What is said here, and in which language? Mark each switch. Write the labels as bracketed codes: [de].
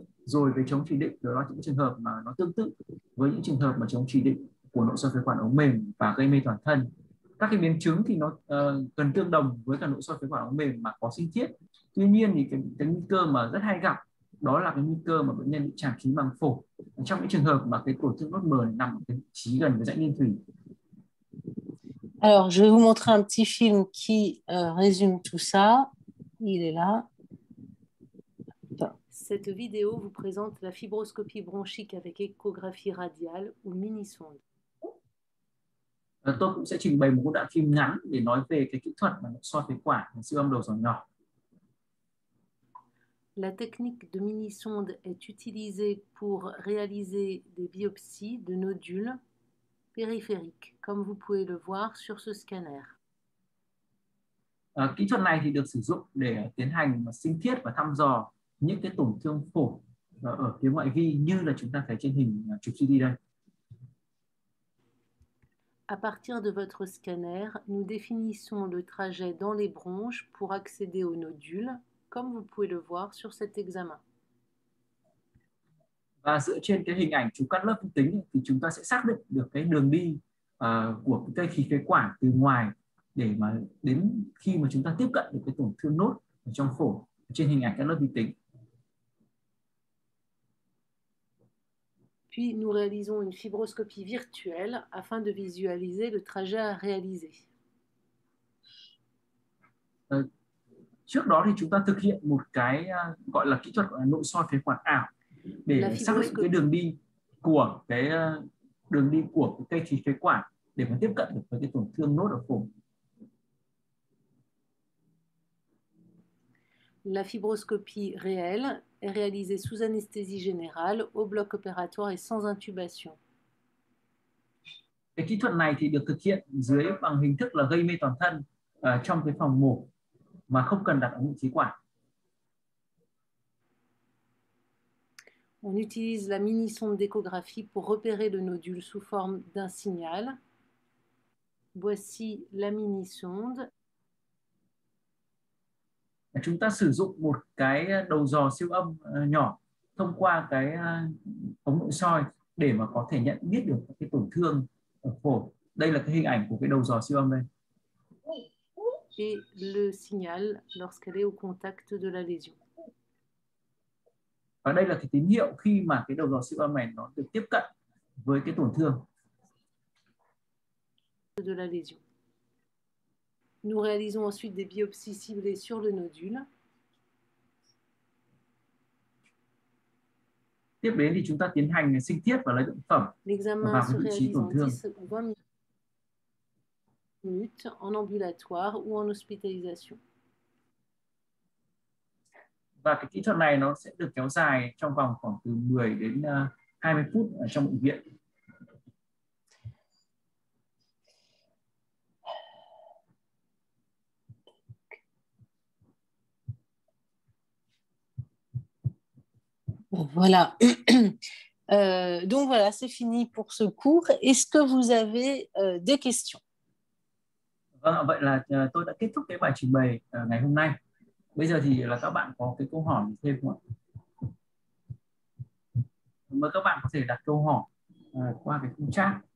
[vi] Rồi về chống chỉ định, đó là những trường hợp mà nó tương tự với những trường hợp mà chống chỉ định của nội soi phế quản ống mềm và gây mê toàn thân. Các cái biến chứng thì nó cần tương đồng với cả nội soi phế quản ống mềm mà có sinh thiết. Tuy nhiên thì cái nguy cơ mà rất hay gặp đó là cái nguy cơ mà bệnh nhân bị tràn khí màng phổi trong những trường hợp mà cái tổn thương nốt mờ nằm ở cái vị trí gần với rãnh niên thủy. [fr] Alors, je vais vous montrer un petit film qui résume tout ça. Il est là. Cette vidéo vous présente la fibroscopie bronchique avec échographie radiale ou mini-sonde. [vi] Tôi cũng sẽ trình bày một đoạn phim ngắn để nói về cái kỹ thuật mà soi phế quản siêu âm đầu dò nhỏ. [fr] La technique de mini-sonde est utilisée pour réaliser des biopsies de nodules périphériques, comme vous pouvez le voir sur ce scanner. [vi] Kỹ thuật này thì được sử dụng để tiến hành sinh thiết và thăm dò những cái tổn thương phổi ở phía ngoại vi như là chúng ta thấy trên hình chụp CT đây. [fr] À partir de votre scanner, nous définissons le trajet dans les bronches pour accéder aux nodules, comme vous pouvez le voir sur cet examen. [vi] Và dựa trên cái hình ảnh chụp cắt lớp vi tính thì chúng ta sẽ xác định được cái đường đi của cái khí phế quản từ ngoài để mà đến khi mà chúng ta tiếp cận được cái tổn thương nốt ở trong phổi trên hình ảnh cắt lớp vi tính. [fr] Puis nous réalisons une fibroscopie virtuelle afin de visualiser le trajet à réaliser. [vi] Trước đó thì chúng ta thực hiện một cái gọi là kỹ thuật nội soi phế quản ảo để xác định cái đường đi của cái đường đi của cây khí phế quản để mà tiếp cận được với cái tổn thương nốt ở phổi. [fr] La fibroscopie réelle est réalisée sous anesthésie générale, au bloc opératoire et sans intubation. [vi] Cái kỹ thuật này thì được thực hiện dưới bằng hình thức là gây mê toàn thân trong cái phòng mổ mà không cần đặt ống nội khí quản. [fr] On utilise la mini-sonde d'échographie pour repérer le nodule sous forme d'un signal. Voici la mini-sonde. [vi] Chúng ta sử dụng một cái đầu dò siêu âm nhỏ thông qua cái ống nội soi để mà có thể nhận biết được cái tổn thương ở phổi. Đây là cái hình ảnh của cái đầu dò siêu âm đây. [fr] Et le signal lorsqu'elle est au contact de la lésion. [vi] Và đây là cái tín hiệu khi mà cái đầu dò siêu âm này nó được tiếp cận với cái tổn thương. [fr] De la lésion. Nous réalisons ensuite des biopsies ciblées sur le nodule. [vi] Tiếp đến thì chúng ta tiến hành sinh thiết và lấy bệnh phẩm [fr] L'examen [vi] vào vị trí tổn thương. [fr] En ambulatoire ou en hospitalisation. [vi] Và cái kỹ thuật này nó sẽ được kéo dài trong vòng khoảng từ 10 đến 20 phút ở trong bệnh viện. [fr] Bon, voilà. donc voilà, c'est fini pour ce cours. Est-ce que vous avez des questions? [vi] Vâng, vậy là tôi đã kết thúc cái bài trình bày ngày hôm nay. Bây giờ thì là các bạn có cái câu hỏi thêm không ạ? Mời các bạn có thể đặt câu hỏi qua cái khung chat.